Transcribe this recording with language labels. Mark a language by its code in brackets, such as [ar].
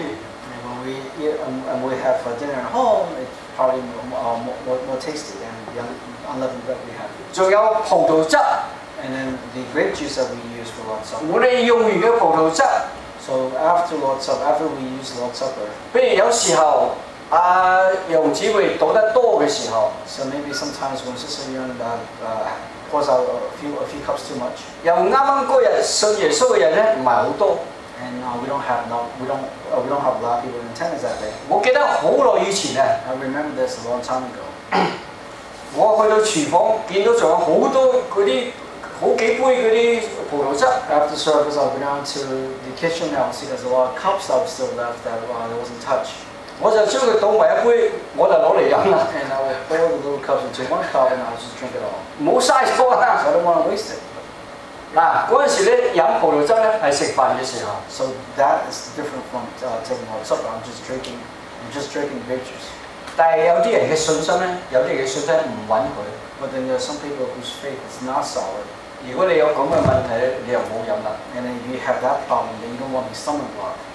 [en] And when we eat and we have dinner at home, it's probably more tasty than the unleavened bread we have. [yue] 仲有葡萄汁。 [en] And then the grape juice that we use for Lord's Supper. [yue] 我哋用完嘅葡萄汁。 [en] So after Lord's Supper, after we use Lord's Supper. [yue] 譬如有時候，楊姊妹倒得多嘅時候。 [en] So maybe sometimes when Sister Yun pours out a few cups too much. [yue] 又啱啱嗰日信耶穌嘅人咧，唔係好多。 [en] And we don't have a lot of people in attendance that day. [yue] 我記得好耐以前咧。 [en] I remember this a long time ago. [yue] 我去到廚房，見到仲有好多嗰啲。 [en] After service, I went down to the kitchen and I see there's a lot of cups that were still left that wasn't touched. And I would pour the little cups into one cup and I would just drink it all. So I don't want to waste it. [yue] 那嗰陣時咧飲葡萄汁咧係食飯嘅時候 [en] ，so that is different from taking my supper. I'm just drinking grape juice. [yue] 但係有啲人嘅信心咧，有啲人嘅信心唔穩固。 [en] But then there are some people whose faith is not solid. [yue] 如果你有咁嘅問題咧，你又冇飲啦。 [en] And if you have that problem, then you don't want to stumble on.